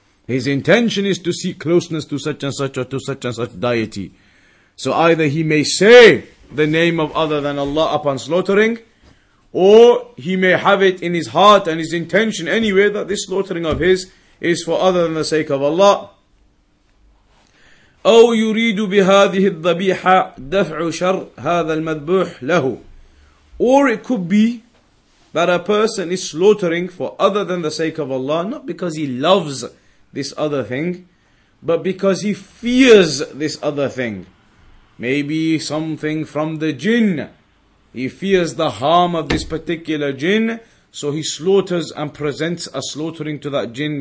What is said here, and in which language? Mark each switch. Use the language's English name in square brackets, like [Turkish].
[English] His intention is to seek closeness to such and such or to such and such deity. So either he may say the name of other than Allah upon slaughtering, or he may have it in his heart and his intention anyway that this slaughtering of his is for other than the sake of Allah. [Arabic] أو يريد بهذه الذبيحة دفع شر هذا المذبوح له. [English] Or it could be that a person is slaughtering for other than the sake of Allah, not because he loves this other thing, but because he fears this other thing. Maybe something from the jinn. He fears the harm of this particular jinn, so he slaughters and presents a slaughtering to that jinn.